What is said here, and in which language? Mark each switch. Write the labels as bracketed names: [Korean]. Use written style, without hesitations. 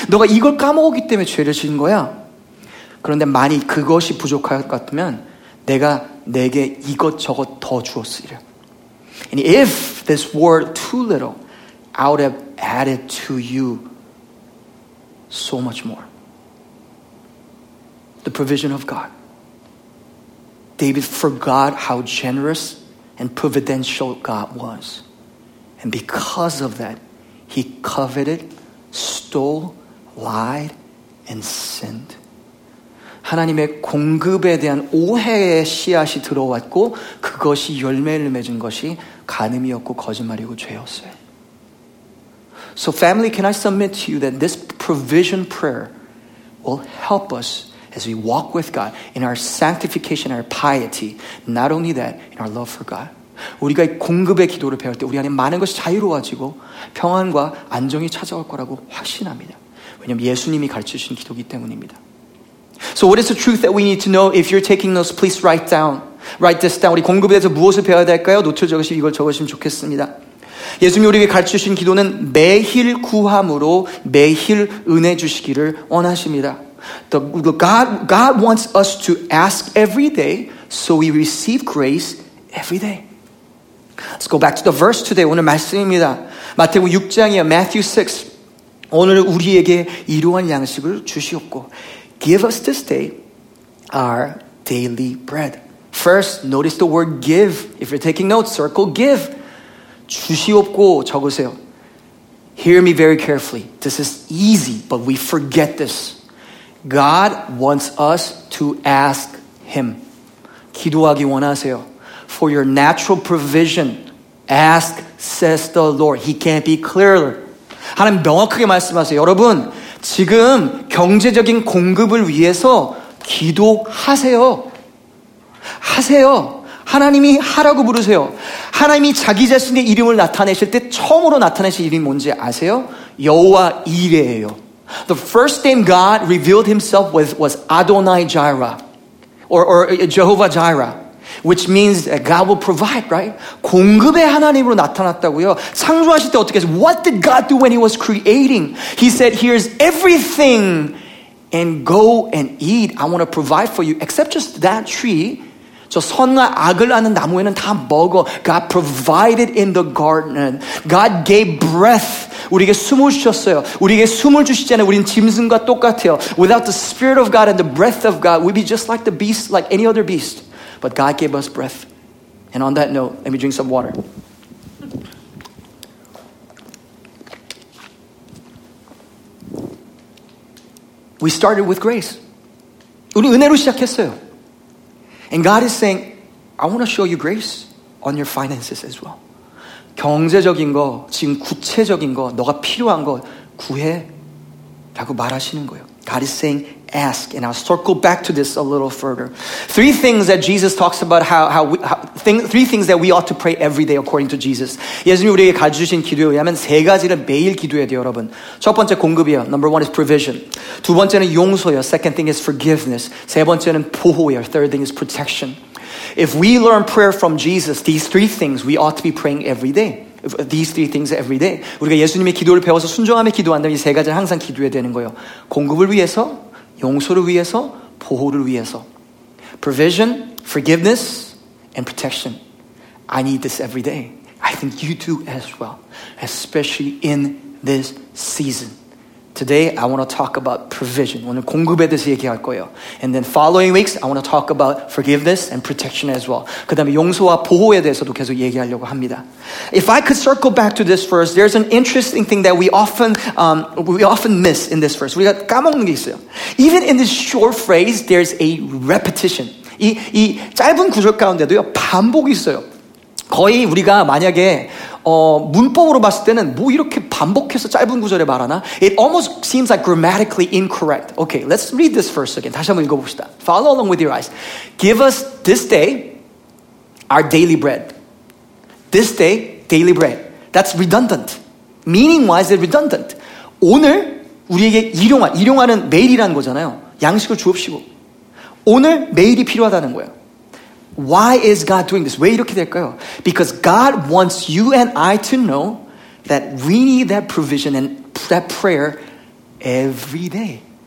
[Korean] 너가 이걸 까먹었기 때문에 죄를 지은 거야. 그런데 만일 그것이 부족할 것 같으면 내가 내게 이것저것 더 주었으리라. [English] And if this were too little, I would have added to you so much more. The provision of God. David forgot how generous and providential God was. And because of that, he coveted, stole, lied, and sinned. [Korean] 하나님의 공급에 대한 오해의 씨앗이 들어왔고 그것이 열매를 맺은 것이 간음이었고 거짓말이고 죄였어요. [English] So family, can I submit to you that this provision prayer will help us as we walk with God in our sanctification, our piety, not only that, in our love for God. [Korean] 우리가 공급의 기도를 배울 때 우리 안에 많은 것이 자유로워지고 평안과 안정이 찾아올 거라고 확신합니다. 왜냐하면 예수님이 가르치신 기도이기 때문입니다. [English] So what is the truth that we need to know? If you're taking notes, please write this down. [Korean] 우리 공급에 대해서 무엇을 배워야 될까요? 노트를 적으시고 이걸 적으시면 좋겠습니다. 예수님이 우리에게 가르치신 기도는 매일 구함으로 매일 은혜 주시기를 원하십니다. [English] God wants us to ask every day, so we receive grace every day. Let's go back to the verse today. [Korean] 오늘 말씀입니다. 마태복음 6장이요. [English] Matthew 6. [Korean] 오늘 우리에게 이러한 양식을 주시옵고. [English] Give us this day our daily bread. First, notice the word give. If you're taking notes, circle give. [Korean] 주시옵고 적으세요. [English] Hear me very carefully. This is easy, but we forget this. God wants us to ask Him. [Korean] 기도하기 원하세요. [English] For your natural provision, ask, says the Lord. He can't be clearer. [Korean] 하나님 명확하게 말씀하세요. 여러분, 지금 경제적인 공급을 위해서 기도하세요. 하세요. 하나님이 하라고 부르세요. 하나님이 자기 자신의 이름을 나타내실 때 처음으로 나타내실 이름이 뭔지 아세요? 여호와 이레예요. [English] The first name God revealed himself with was Adonai Jireh, or Jehovah Jireh, which means that God will provide, right? [Korean] 공급의 하나님으로 나타났다고요. 창조하실 때 어떻게 했어요? [English] What did God do when he was creating? He said, here's everything, and go and eat. I want to provide for you, except just that tree. [Korean] 저 선과 악을 아는 나무에는 다 먹어. [English] God provided in the garden. God gave breath. [Korean] 우리에게 숨을 주셨어요. 우리에게 숨을 주시잖아요. 우린 짐승과 똑같아요. [English] Without the spirit of God and the breath of God, we'd be just like the beast, like any other beast. But God gave us breath. And on that note, let me drink some water. We started with grace. [Korean] 우리 은혜로 시작했어요. [English] And God is saying, I want to show you grace on your finances as well. [Korean] 경제적인 거, 지금 구체적인 거, 너가 필요한 거 구해라고 말하시는 거예요. [English] God is saying, ask. And I'll circle back to this a little further. Three things that Jesus talks about, three things that we ought to pray every day according to Jesus. [Korean] 예수님 우리에게 가르쳐주신 기도에 의하면 세 가지를 매일 기도해야 돼요, 여러분. 첫 번째 공급이요. [English] Number one is provision. [Korean] 두 번째는 용서요. [English] Second thing is forgiveness. [Korean] 세 번째는 보호요. [English] Third thing is protection. If we learn prayer from Jesus, these three things we ought to be praying every day. These three things every day. [Korean] 우리가 예수님의 기도를 배워서 순종함에 기도한다면 이 세 가지를 항상 기도해야 되는 거예요. 공급을 위해서, 용서를 위해서, 보호를 위해서. [English] Provision, forgiveness, and protection. I need this every day. I think you do as well. Especially in this season. Today, I want to talk about provision. [Korean] 오늘 공급에 대해서 얘기할 거예요. [English] And then following weeks, I want to talk about forgiveness and protection as well. [Korean] 그 다음에 용서와 보호에 대해서도 계속 얘기하려고 합니다. [English] If I could circle back to this verse, there's an interesting thing that we often miss in this verse. [Korean] 우리가 까먹는 게 있어요. [English] Even in this short phrase, there's a repetition. [Korean] 이 짧은 구절 가운데도요, 반복이 있어요. 거의 우리가 만약에 문법으로 봤을 때는 뭐 이렇게 반복해서 짧은 구절에 말하나? [English] It almost seems like grammatically incorrect. Okay, let's read this verse again. [Korean] 다시 한번 읽어봅시다. [English] Follow along with your eyes. Give us this day our daily bread. This day, daily bread. That's redundant. Meaning wise, it's redundant. [Korean] 오늘 우리에게 일용하는 매일이라는 거잖아요. 양식을 주옵시고. 오늘 매일이 필요하다는 거예요. [English] Why is God doing this? [Korean] 왜 이렇게 될까요? [English] Because God wants you and I to know that we need that provision and that prayer every day.